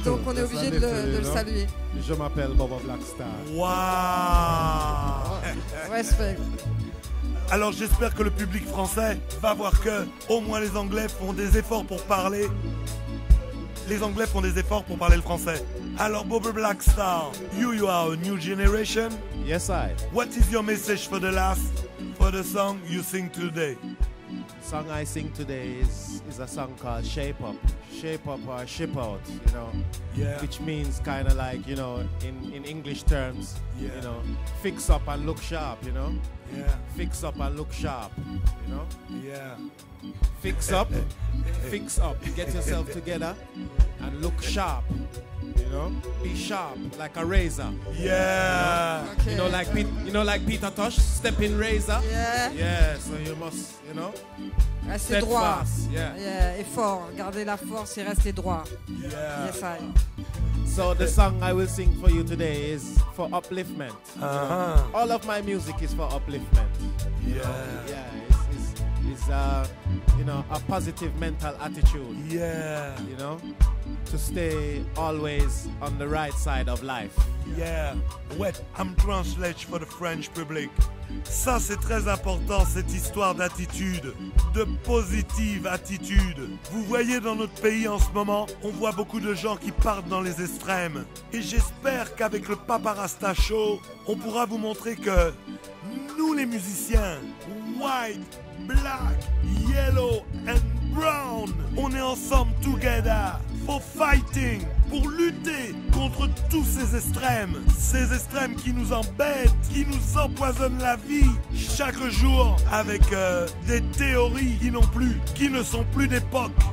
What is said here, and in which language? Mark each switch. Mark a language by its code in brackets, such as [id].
[fr] Donc on est obligé de le saluer. Je m'appelle Bobo Blackstar. Waouh! Respect. Alors j'espère que le public français va voir que au moins les Anglais font des efforts pour parler. Les Anglais font des efforts pour parler le français. [en] Alors Bobo Blackstar, you are a new generation. Yes, I. What is your message for the song you sing today? Song I sing today is a song called Shape Up. Shape Up or Ship Out, you know. Yeah. Which means kind of like, you know, in English terms, yeah. You know, fix up and look sharp, you know. Yeah. Fix up and look sharp, you know. Yeah. Fix up, get yourself together and look sharp, you know. Be sharp like a razor. Yeah. You know, okay. you know like Peter Tosh, stepping razor. Yeah. Yeah, so you must, you know. [fr] Restez droit. [en] Fast. Yeah. [fr] Yeah, et fort, gardez la force et restez droit. [en] Yeah. Yes, I. So the song I will sing for you today is for upliftment. Uh-huh. All of my music is for upliftment. Yeah. Know? Yeah. Is a positive mental attitude. Yeah. You know? to stay always on the right side of life. Yeah, wait, I'm translating for the French public. [fr] Ça c'est très important, cette histoire d'attitude, de positive attitude. Vous voyez, dans notre pays en ce moment, on voit beaucoup de gens qui partent dans les extrêmes. Et j'espère qu'avec le Papa Rasta Show, on pourra vous montrer que nous les musiciens, [en] white, black, yellow and brown, [fr] on est ensemble [en] together for fighting, [fr] pour lutter contre tous ces extrêmes qui nous embêtent, qui nous empoisonnent la vie chaque jour avec des théories qui n'ont plus, qui ne sont plus d'époque.